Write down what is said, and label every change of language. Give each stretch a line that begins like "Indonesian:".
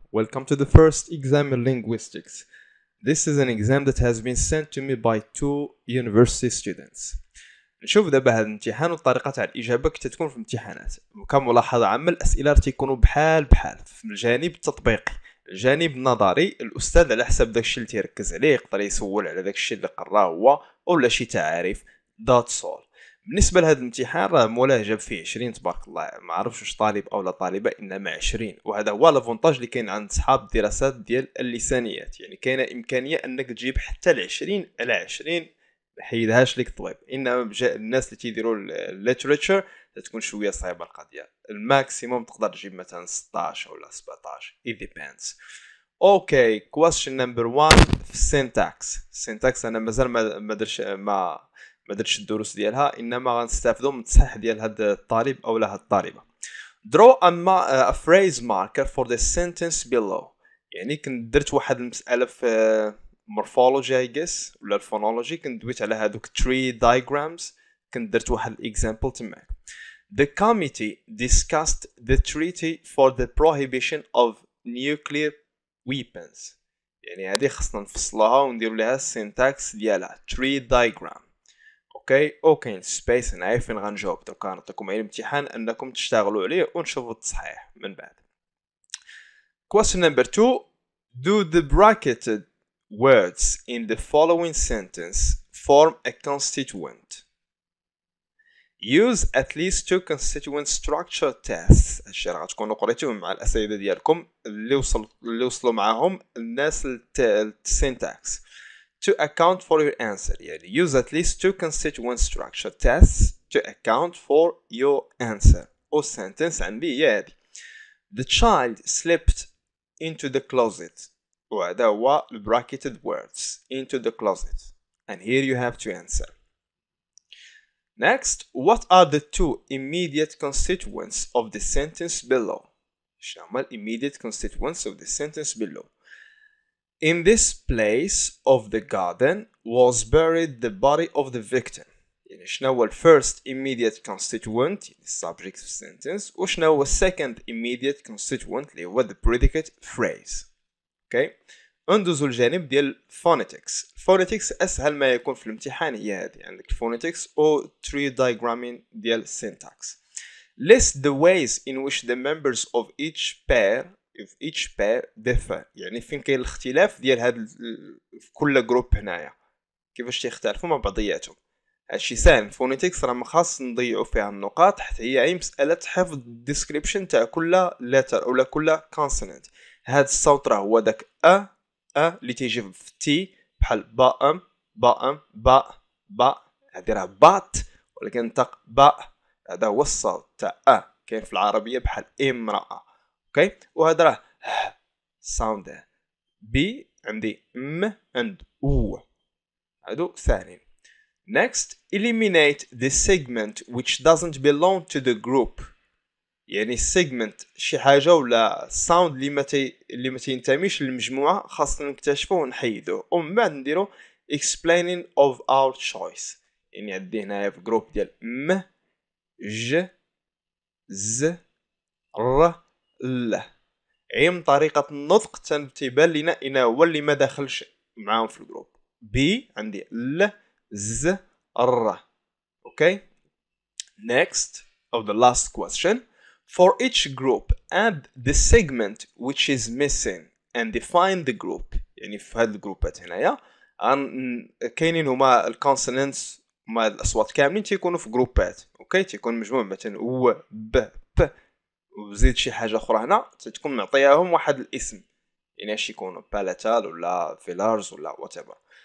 English: Welcome to the first exam in linguistics. This is an exam that has been sent to me by two university students.
Arabic: نشوف دابا هذا الامتحان والطريقة تاع الإجابة كي تتكون في امتحانات. وكملاحظة عامة الأسئلة راح تكونوا بحال في الجانب التطبيقي، الجانب النظري الأستاذ على حسب داكشي اللي تركز عليه يقدر يسول على داكشي اللي قراه هو ولا شي تعاريف.
English: That's all.
Arabic: بالنسبة لهذا الامتحان راه مولاه جاب فيه 20 تبارك الله، ما عرفش واش طالب أو لا طالبة، إنما 20، وهذا هو لافونتاج اللي كاين عند صحاب الدراسات ديال اللسانيات، يعني كاينة إمكانية أنك تجيب حتى 20 على 20، ما حيدهاش لك طويب، إنما الناس اللي تيديروا الليتريتشر تكون شوية صعيبة القضية، الماكسيموم تقدر تجيب مثلا 16 أو 17،
English: it depends. أوكي، question number 1 في syntax.
Arabic: syntax أنا مازال ما درش ما ما درتش الدروس ديالها، انما غنستافدوا من التصحيح ديال هاد الطالب او لهاد الطالبه.
English: draw a phrase marker for the sentence below.
Arabic: يعني كنت درت واحد المساله في مورفولوجي اي جيس ولا الفونولوجي، كنت دويت على هذوك tree diagrams، كنت درت واحد الاكزامبل تماك.
English: the committee discussed the treaty for the prohibition of nuclear weapons.
Arabic: يعني هذه خصنا نفصلها وندير لها سينتاكس ديالها tree diagram. اوكي اوكي سبيس انا عارف ان غنجاوب دوكا، نعطيكم غير امتحان انكم تشتغلوا عليه ونشوفوا التصحيح من بعد.
English: question number 2 do the bracketed words in the following sentence form a constituent. use at least two constituent structure tests.
Arabic: هادشي راه غتكونوا قريتوه مع الاساتذه ديالكم اللي وصلوا معاهم الناس للسينتاكس.
English: to account for your answer. يعني use at least two constituent structure tests to account for your answer.
Arabic: أو sentence عندي هي هذه.
English: the child slipped into the closet.
Arabic: وهذا هو
English: the bracketed words into the closet. and here you have to answer. next, what are the two immediate constituents of the sentence below? شامل immediate constituents of the sentence below. in this place of the garden was buried the body of the victim.
Arabic: يعني شنو هو
English: first immediate constituent subject of sentence وشنو هو second immediate constituent اللي هو the predicate phrase.
Arabic: okay ندوزو الجانب ديال phonetics. phonetics اسهل ما يكون في الامتحان هي هذه، يعني عندك phonetics او tree diagramming ديال syntax.
English: list the ways in which the members of each pair if each pair differ.
Arabic: يعني فين كاين الاختلاف ديال هاد في كل جروب هنايا، كيفاش تيختلفوا مع بعضياتهم. هادشي ساهل فونيتكس راه ما خاص نضيعوا فيها النقاط، حتى هي غير مساله حفظ الديسكريبشن تاع كل لتر ولا كل كونسونانت. هاد الصوت راه هو داك ا اللي تيجي في تي بحال با ام با ام با با، هادي راه بات ولكن نطق با، هذا هو الصوت تاع ا. كاين في العربيه بحال امراه اوكي، وهذا راه ساوند بي عندي ام اند او، هادو ثاني.
English: next eliminate the segment which doesn't belong to the group.
Arabic: يعني segment شي حاجه ولا ساوند اللي ما تنتميش للمجموعه خاصنا نكتشفوه ونحيدوه، ومن بعد نديرو
English: explaining of our choice.
Arabic: يعني عندي هنايا في جروب ديال ام ج ز ر لا، عيم طريقة النطق تنتبال لنا إنه هو اللي ما دخلش معاهم في الجروب. بي عندي ل ز ر.
English: okay next of the last question for each group add the segment which is missing and define the group.
Arabic: يعني في هاد الجروبات هنايا كاينين هما الكونسوننتس هما الأصوات كاملين تيكونوا في جروبات. okay تيكون مجموع مثلا و ب ب وزيد شي حاجه اخرى هنا تتكون معطياهم واحد الاسم، يعني اش يكونوا بالاتال ولا فيلارز ولا واتيفر.